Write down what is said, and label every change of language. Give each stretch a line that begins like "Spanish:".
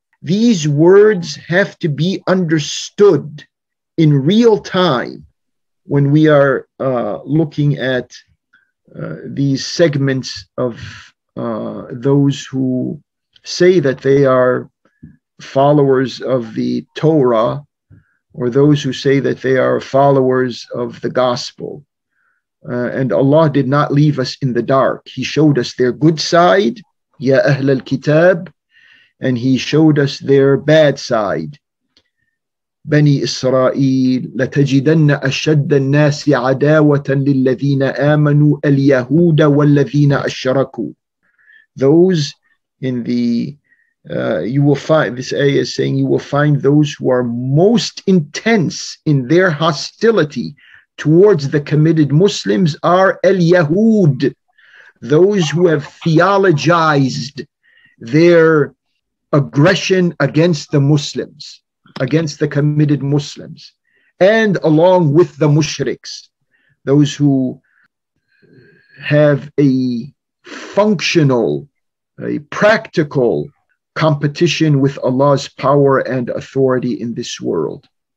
English: These words have to be understood in real time when we are looking at these segments of those who say that they are followers of the Torah, or those who say that they are followers of the gospel. And Allah did not leave us in the dark. He showed us their good side,
Arabic: Ya Ahl al-Kitab,
English: and He showed us their bad side.
Arabic: Bani Israel, لَتَجِدَنَّ أَشَدَّ النَّاسِ عَدَاوَةً لِلَّذِينَ آمَنُوا الْيَهُودَ وَالَّذِينَ أَشْرَكُوا.
English: Those in the, you will find, this ayah is saying, you will find those who are most intense in their hostility towards the committed Muslims are al-Yahud, those who have theologized their aggression against the Muslims, against the committed Muslims, and along with the mushriks, those who have a functional, a practical competition with Allah's power and authority in this world.